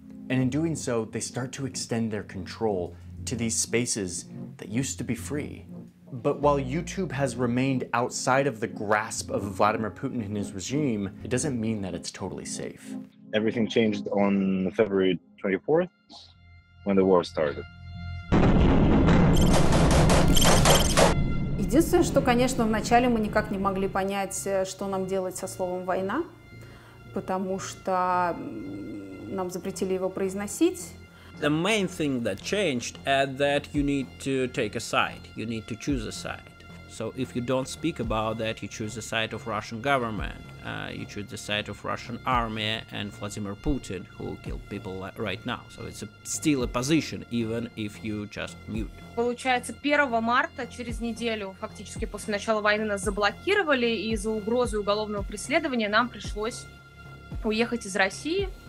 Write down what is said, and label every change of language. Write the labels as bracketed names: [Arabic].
[English] And in doing so, they start to extend their control to these spaces that used to be free. But while YouTube has remained outside of the grasp of Vladimir Putin and his regime, it doesn't mean that it's totally safe. Everything changed on February 24th, when the war started. [Russian] Единственное, что, конечно, вначале мы никак не могли понять, что нам делать со словом «война», потому что нам запретили его произносить. [English] The main thing that changed is that you need to take a side, you need to choose a side. So if you don't speak about that, you choose the side of Russian government, you choose the side of Russian army and Vladimir Putin, who killed people right now. So it's still a position, even if you just mute. [Russian] Получается, 1 марта, через неделю, фактически после начала войны, нас заблокировали, и из-за угрозы уголовного преследования нам пришлось уехать из России.